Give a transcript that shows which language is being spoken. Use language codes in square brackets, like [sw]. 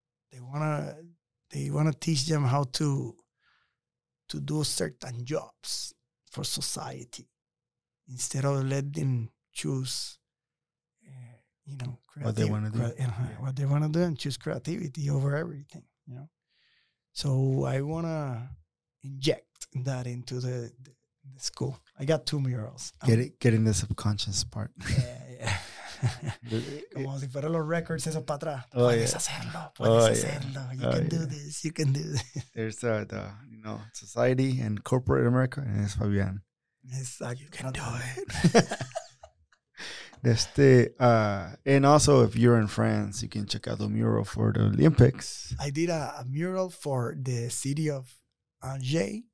[en] They wanna teach them how to do certain jobs for society instead of letting them choose, what they want to do. What they want to do and choose creativity over everything, you know. So I want to inject that into the school. I got two murals. Get in the subconscious part. Yeah. [es] Como si fueran los records esos para atrás. Puedes hacerlo. [en] You can do this. There's the society and corporate America, and it's Fabián. Exactly. You can do it. And also, if you're in France, you can check out the mural for the Olympics. I did a mural for the city of Angers.